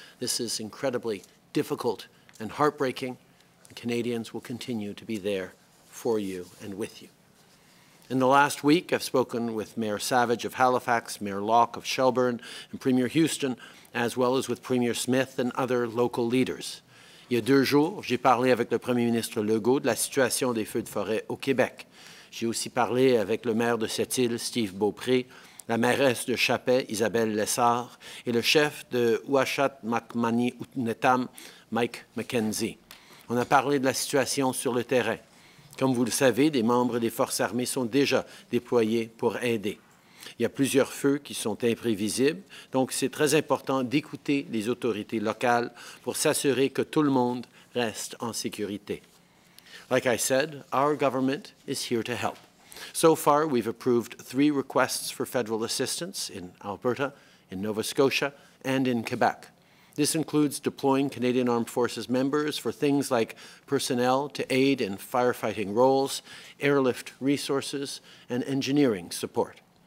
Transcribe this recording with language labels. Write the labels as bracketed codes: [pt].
[en] This is incredibly difficult and heartbreaking. Canadians will continue to be there for you and with you. In the last week, I've spoken with Mayor Savage of Halifax, Mayor Locke of Shelburne, and Premier Houston, as well as with Premier Smith and other local leaders. [fr] Il y a deux jours, j'ai parlé avec le Premier ministre Legault de la situation des feux de forêt au Québec. J'ai aussi parlé avec le maire de Sept-Îles, Steve Beaupré, la mairesse de Chapais, Isabelle Lessard, et le chef de Ouachat Makmani-Outnetam, Mike McKenzie. On a parlé de la situation sur le terrain. Comme vous le savez, des membres des forces armées sont déjà déployés pour aider. Il y a plusieurs feux qui sont imprévisibles, donc c'est très important d'écouter les autorités locales pour s'assurer que tout le monde reste en sécurité. [en] Like I said, our government is here to help. So far, we've approved 3 requests for federal assistance in Alberta, in Nova Scotia, and in Quebec. This includes deploying Canadian Armed Forces members for things like personnel to aid in firefighting roles, airlift resources, and engineering support.